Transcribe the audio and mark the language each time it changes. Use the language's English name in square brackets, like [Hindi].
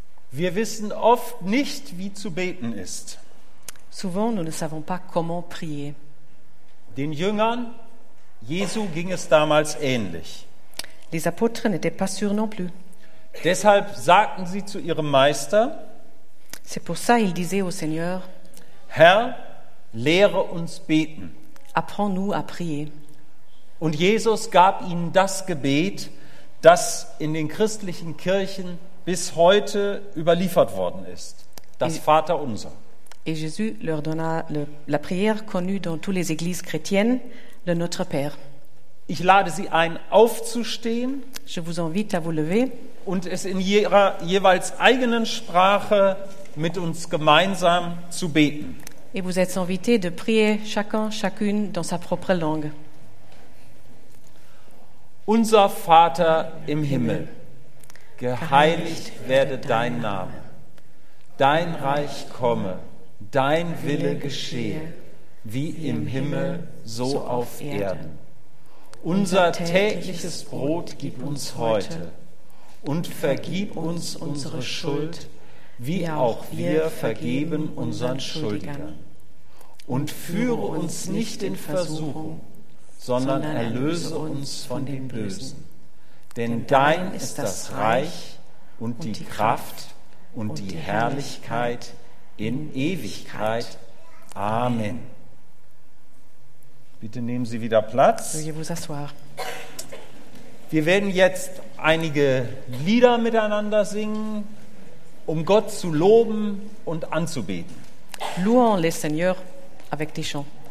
[German] Wir wissen oft nicht, wie zu beten ist. [French] Souvent, nous ne savons pas comment prier. [German] Den Jüngern Jesu ging es damals ähnlich. [French] Les apôtres n'étaient pas sûrs non plus. [German] Deshalb sagten sie zu ihrem Meister: [French] C'est pour ça, ils disaient au Seigneur, [German] Herr, lehre uns beten. [French] Apprends-nous à prier. [German] Und Jesus gab ihnen das Gebet, das in den christlichen Kirchen bis heute überliefert worden ist: das Vaterunser. [French] Et Jésus leur donna la prière connue dans toutes les églises chrétiennes, le Notre Père. [German] Ich lade Sie ein, aufzustehen. [French] Je vous invite à vous lever. [German] Und es in ihrer jeweils eigenen Sprache mit uns gemeinsam zu beten. [French] Et vous êtes invités de prier chacun, chacune dans sa propre langue. [German] Unser Vater im Himmel, geheiligt werde dein Name. Dein Reich komme. Dein Wille geschehe, wie im Himmel, so auf Erden. Unser tägliches Brot gib uns heute Und vergib uns unsere Schuld, wie auch wir vergeben unseren Schuldigern. Und führe uns nicht in Versuchung, sondern erlöse uns von dem Bösen. Denn dein ist das Reich und die Kraft und die Herrlichkeit in Ewigkeit. Amen. Bitte nehmen Sie wieder Platz. Wir werden jetzt einige Lieder miteinander singen, um Gott zu loben und anzubeten. [French] Louons le Seigneur avec tes chants.